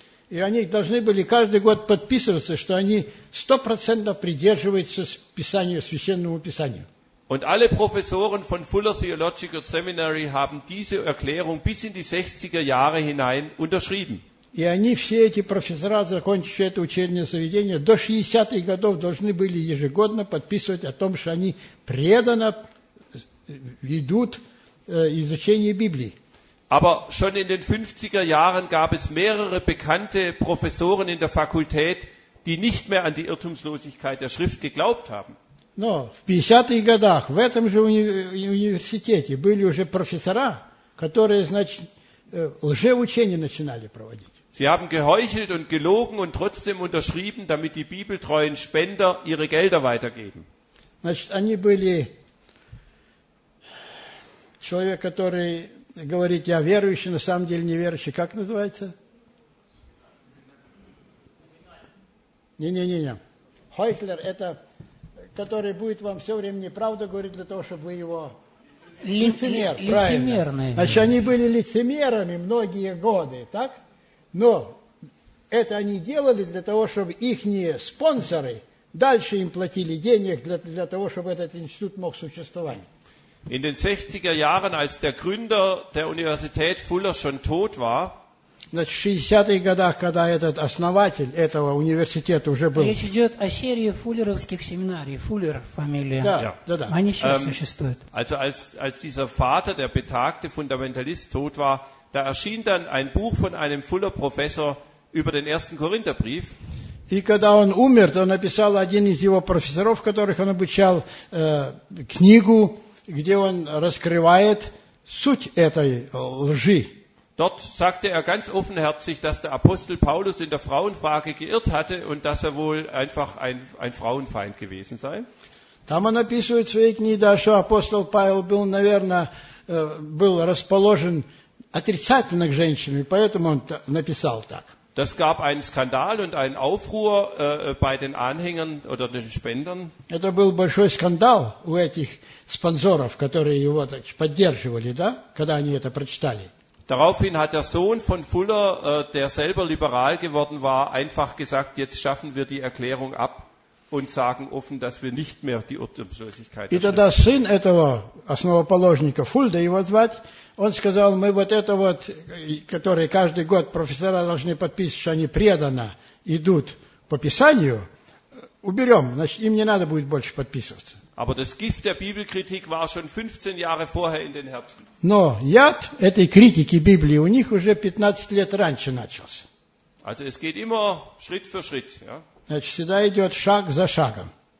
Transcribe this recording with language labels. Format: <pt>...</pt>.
<ru>И они должны были каждый год подписываться, что они 100% придерживаются Писанию, Священному Писанию.</ru> <de>Und alle Professoren von Fuller Theological Seminary haben diese Erklärung bis in die 60er Jahre hinein unterschrieben.</de> <ru>И они, все эти профессора, закончившие это учебное заведение, до 60-х годов должны были ежегодно подписывать о том, что они преданно ведут изучение Библии.</ru> <de>Aber schon in den 50er Jahren gab es mehrere bekannte Professoren in der Fakultät, die nicht mehr an die Irrtumslosigkeit der Schrift geglaubt haben.</de> <ru>Но в 50-х годах в этом же университете были уже профессора, которые, значит, лжеучение начинали проводить.</ru> <de>Sie haben geheuchelt und gelogen und trotzdem unterschrieben, damit die bibeltreuen Spender ihre Gelder weitergeben.</de> <ru>Значит, они были человек, который говорит, я верующий, на самом деле неверующий. Как называется? Не-не-не-не. Хойхлер – это который будет вам все время неправду говорить для того, чтобы вы его... Лицемер, правильно. Значит, они были лицемерами многие годы, так? Но это они делали для того, чтобы их спонсоры дальше им платили денег для того, чтобы этот институт мог существовать.</ru> <de>In den 60er Jahren, als der Gründer der Universität Fuller schon tot war,</de> <ru>значит, в 60-х годах, когда этот основатель этого университета уже был... Речь идет о серии фуллеровских семинарий. Фуллер фамилия. Да,</ru> <de>ja.</de> <ru>Да, да. Они сейчас существуют.</ru> <de>Also als dieser Vater, der betagte Fundamentalist, tot war, da erschien dann ein Buch von einem Fuller-Professor über den ersten Korintherbrief.</de> <ru>И когда он умер, то написал один из его профессоров, которых он обучал, книгу, где он раскрывает суть этой лжи.</ru> <de>Dort sagte er ganz offenherzig, dass der Apostel Paulus in der Frauenfrage geirrt hatte und dass er wohl einfach ein Frauenfeind gewesen sei.</de> <ru>Там он описывает свои книги, да, что апостол Павел был, наверное, был расположен отрицательно к женщинам, и поэтому он написал так.</ru> <de>Das gab einen Skandal und einen Aufruhr bei den Anhängern oder den Spendern.</de> <ru>Это был большой скандал у этих спонсоров, которые его так поддерживали, да, когда они это прочитали.</ru> <de>Daraufhin hat der Sohn von Fuller, der selber liberal geworden war, einfach gesagt, jetzt schaffen wir die Erklärung ab und sagen offen, dass wir nicht mehr die Irrtumslosigkeit erschaffen.</de> <ru>И тогда сын этого основоположника, Фуллер, его звать, он сказал, мы вот это вот, которые каждый год профессора должны подписывать, что они преданно идут по Писанию, уберем, значит, им не надо будет больше подписываться.</ru> <de>Aber das Gift der Bibelkritik war schon 15 Jahre vorher in den Herzen.</de> <ru>Но яд этой критики Библии у них уже 15 лет раньше начался.</ru> <de>Also es geht immer Schritt für Schritt. Ja?</de> <ru>Значит, всегда идет шаг за шагом.</ru>